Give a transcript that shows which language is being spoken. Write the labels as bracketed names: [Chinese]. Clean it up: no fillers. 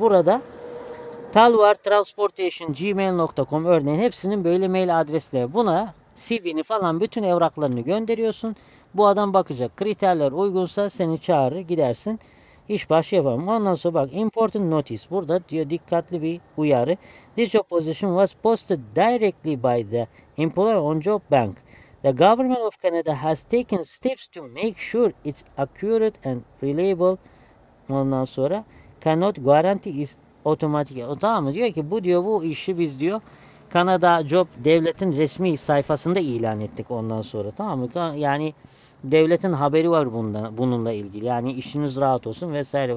[Turkish] Burada talwartransportation@gmail.com örneğin hepsinin böyle mail adresleri. Buna CV'ni falan bütün evraklarını gönderiyorsun. Bu adam bakacak. Kriterler uygunsa seni çağırır gidersin. İş başı yapalım. Ondan sonra bak [English] important notice. [Turkish] Burada diyor dikkatli bir uyarı. [English] This job position was posted directly by the employer on job bank. The government of Canada has taken steps to make sure it's accurate and reliable. [Turkish] Ondan sonra [English] cannot guarantee is [Turkish] otomatik. O tamam mı? Diyor ki bu diyor bu işi biz diyor Kanada Job devletin resmi sayfasında ilan ettik ondan sonra. Tamam mı? Yani devletin haberi var bununla ilgili. Yani işiniz rahat olsun vesaire.